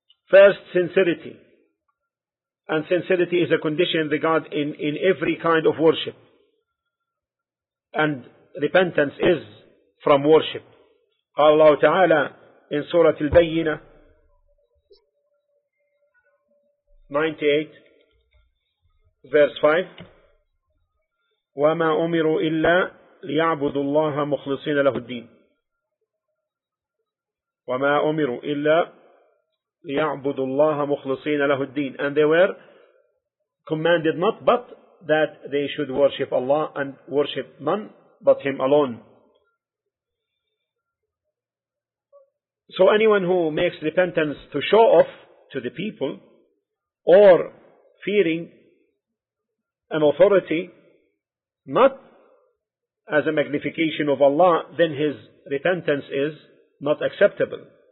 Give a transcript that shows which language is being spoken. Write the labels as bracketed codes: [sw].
[en] First, sincerity. And sincerity is a condition regarding in every kind of worship. And repentance is from worship. Allah Ta'ala in Surah Al-Bayyinah 98 verse 5, [ar] وَمَا أُمِرُوا إِلَّا لِيَعْبُدُوا اللَّهَ مُخْلِصِينَ لَهُ الدِّينَ وَمَا أُمِرُوا إِلَّا لِيَعْبُدُوا اللَّهَ مُخْلِصِينَ لَهُ الدِّينَ. [en] And they were commanded not but that they should worship Allah and worship none but Him alone. So anyone who makes repentance to show off to the people, or fearing an authority, not as a magnification of Allah, then his repentance is not acceptable.